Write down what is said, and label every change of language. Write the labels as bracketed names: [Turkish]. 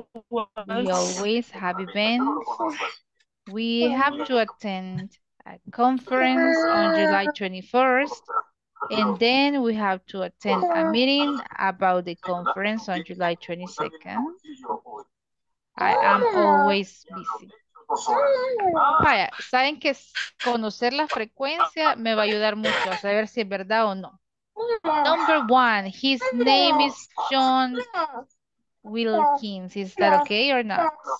[English] We always have events. We have to attend a conference on July 21st. And then we have to attend a meeting about the conference on July 22nd. I am always busy. [Spanish] Vaya, saben que conocer la frecuencia me va a ayudar mucho a saber si es verdad o no. [English] Number one, his name is John Wilkins. Is that okay or not?